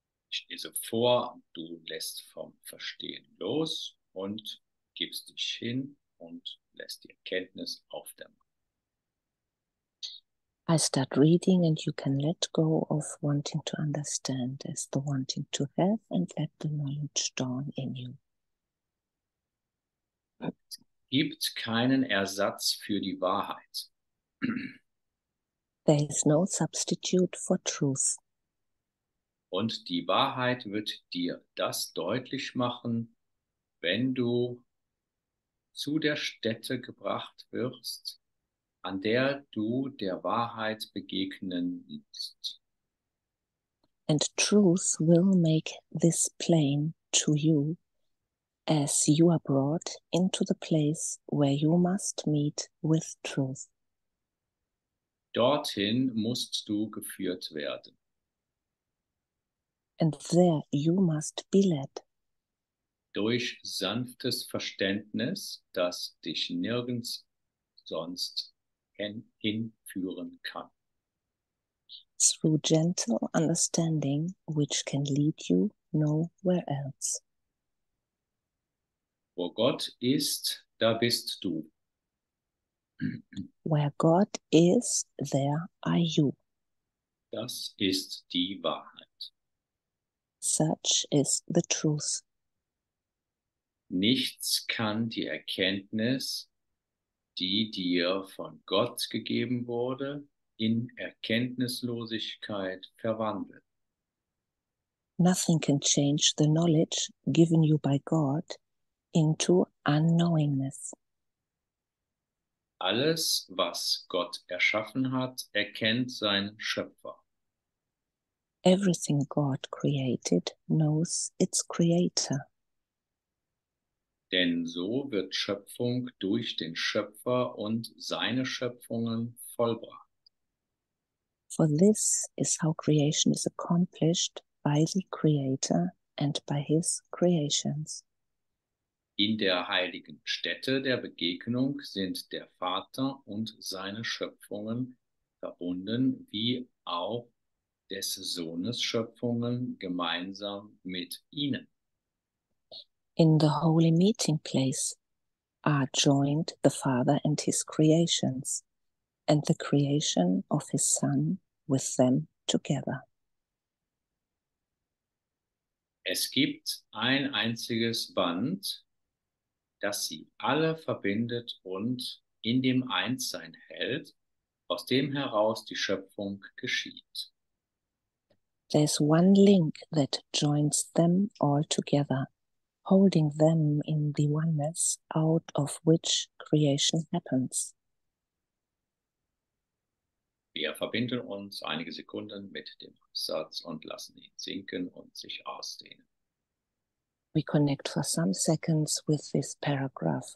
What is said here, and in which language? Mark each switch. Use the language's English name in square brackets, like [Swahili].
[German] Ich lese vor, du lässt vom Verstehen los und gibst dich hin und lässt die Erkenntnis auf der Macht. [English] I start reading and you can let go of wanting to understand as the wanting to have and let the knowledge dawn in you. [German] Gibt keinen Ersatz für die Wahrheit. [English] There is no substitute for truth. [German] Und die Wahrheit wird dir das deutlich machen, wenn du zu der Stätte gebracht wirst, an der du der Wahrheit begegnen willst. [English] And truth will make this plain to you as you are brought into the place where you must meet with truth. [German] Dorthin musst du geführt werden. [English] And there you must be led. [German] Durch sanftes Verständnis, das dich nirgends sonst hinführen kann. [English] Through gentle understanding, which can lead you nowhere else. [German] Wo Gott ist, da bist du. [English] Where God is, there are you. [German] Das ist die Wahrheit. [English] Such is the truth. [German] Nichts kann die Erkenntnis, die dir von Gott gegeben wurde, in Erkenntnislosigkeit verwandeln. [English] Nothing can change the knowledge given you by God into unknowingness. [German] Alles, was Gott erschaffen hat, erkennt sein Schöpfer. [English] Everything God created knows its creator. [German] Denn so wird Schöpfung durch den Schöpfer und seine Schöpfungen vollbracht. [English] For this is how creation is accomplished by the Creator and by his creations. [German] In der heiligen Stätte der Begegnung sind der Vater und seine Schöpfungen verbunden, wie auch des Sohnes Schöpfungen gemeinsam mit ihnen. [English] In the holy meeting place are joined the Father and his creations, and the creation of his Son with them together. [German] Es gibt ein einziges Band, das sie alle verbindet und in dem Einssein hält, aus dem heraus die Schöpfung geschieht. [English] There's one link that joins them all together, holding them in the oneness out of which creation happens. [German] Wir verbinden uns einige Sekunden mit dem Satz und lassen ihn sinken und sich ausdehnen. [English] We connect for some seconds with this paragraph.